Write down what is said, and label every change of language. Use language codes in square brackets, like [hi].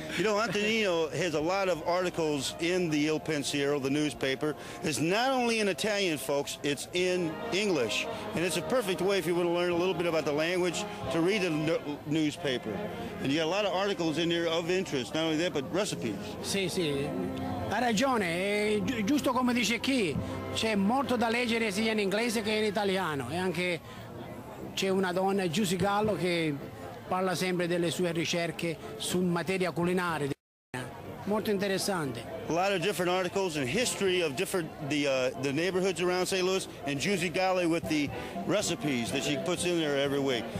[en] You know, Antonino has a lot of articles in the Il Pensiero, the newspaper. It's not only in Italian, folks, it's in English. And it's a perfect way if you want to learn a little bit about the language to read the newspaper. And you got a lot of articles in there of interest, not only that, but recipes. [it] Sì, sì. Ha ragione. Giusto come dice chi, c'è molto da leggere sia in inglese che in italiano. E anche c'è una donna, Giusy Gallo, che parla sempre delle sue ricerche su materia culinaria. Molto interessante. [en] A lot of different articles and history of different the neighborhoods around St. Louis, and Giusy Gallo with the recipes that she puts in there every week.